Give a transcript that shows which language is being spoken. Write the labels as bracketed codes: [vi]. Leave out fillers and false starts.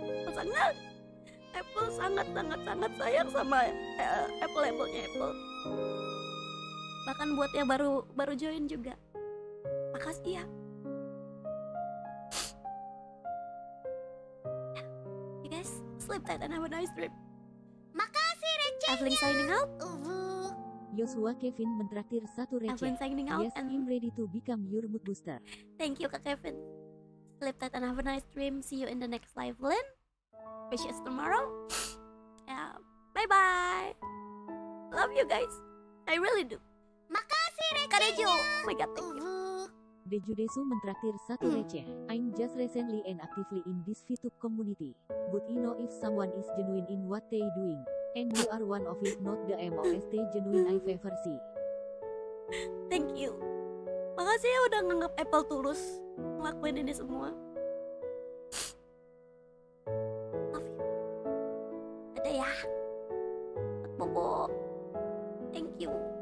[id] Sangat Apple sangat sayang sama Apple-nya Apple. Bahkan buat yang baru join juga, makasih ya. [en] You guys sleep tight and have a nice dream. [id] Makasih recehnya. [en] Evelyn signing out. [id] Joshua Kevin mentraktir satu receh. [en] Yes, I'm ready to become your mood booster. Thank you, Kak Kevin. Sleep tight and have a nice dream. See you in the next live, Lynn. Wish you tomorrow. Yeah. Bye-bye. Love you guys. I really do. [id] Makasih, recehnya. Kareju. [en] Oh my God, thank you. [id] Deju Desu mentraktir satu receh. [en] I'm just recently and actively in this VTube community. But you know if someone is genuine in what they doing. And you are one of it, not the most genuine I've ever seen. Thank you. [id] Makasih ya udah nganggap Apple tulus ngelakuin ini semua. [en] Love you. [id] Ada ya. Bobo. [en] Thank you.